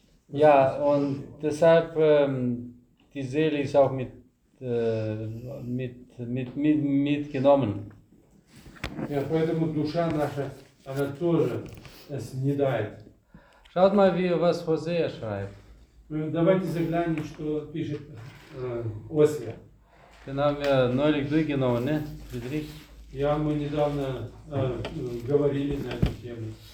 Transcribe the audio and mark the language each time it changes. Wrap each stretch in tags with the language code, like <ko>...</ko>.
<de>Ja, und deshalb die Seele ist auch mit genommen.</de> <ru>Ja, поэтому душа наша, она тоже es съедает.</ru> <de>Schaut mal, wie was Hosea schreibt.</de> <ru>Давайте заглянем, что пишет Осия.</ru> <de>Den haben wir neulich durchgenommen, ne, Friedrich?</de> <ru>Ja, мы недавно говорили на эту тему.</ru>